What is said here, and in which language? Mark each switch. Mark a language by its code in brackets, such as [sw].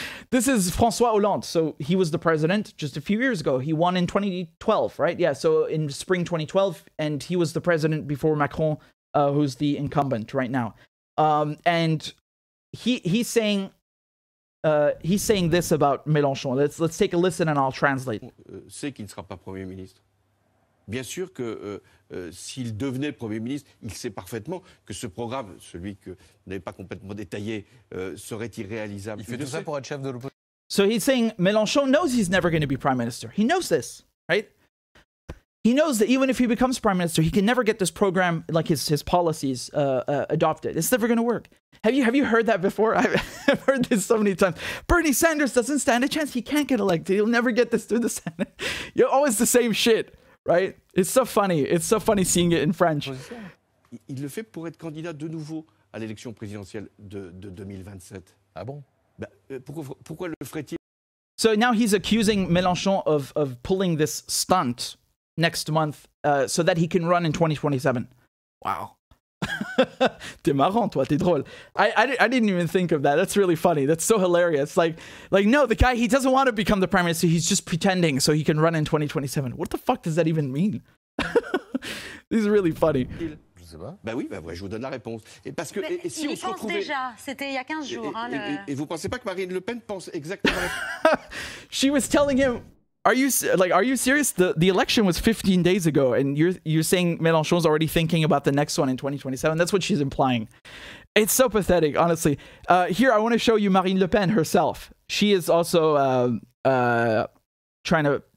[en] This is François Hollande. So he was the president just a few years ago. He won in 2012, right? Yeah, so in spring 2012. And he was the president before Macron, who's the incumbent right now. And he's saying this about Mélenchon. Let's take a listen and I'll translate. [fr] C'est qu'il ne sera pas premier ministre. Bien sûr que s'il devenait premier ministre, il sait parfaitement que ce programme, celui que n'avait pas complètement détaillé, serait irréalisable. Il fait tout ça pour être chef de l'opposition. [en] So he's saying Mélenchon knows he's never going to be prime minister. He knows this, right? He knows that even if he becomes prime minister, he can never get this program, like his policies, adopted. It's never going to work. Have you heard that before? I've heard this so many times. Bernie Sanders doesn't stand a chance. He can't get elected. He'll never get this through the Senate. You're always the same shit, right? It's so funny. It's so funny seeing it in French. [fr] Il le fait pour être candidat de nouveau à l'élection présidentielle de 2027. Ah bon? Pourquoi le ferait-il? [en] So now he's accusing Mélenchon of pulling this stunt next month so that he can run in 2027. Wow. [fr] T'es marrant, toi, t'es drôle. [en] I didn't even think of that. That's really funny. That's so hilarious. Like no, the guy, he doesn't want to become the prime minister. He's just pretending so he can run in 2027. What the fuck does that even mean? This is really funny. [fr] Ben oui, ben ouais, je vous donne la réponse. Et parce que et si on se retrouvait... déjà, c'était il y a 15 jours. Et vous pensez pas que Marine Le Pen pense exactement... [en] She was telling him, are you serious? The election was 15 days ago and you're saying Mélenchon's already thinking about the next one in 2027. That's what she's implying. It's so pathetic, honestly. Here, I want to show you Marine Le Pen herself. She is also trying to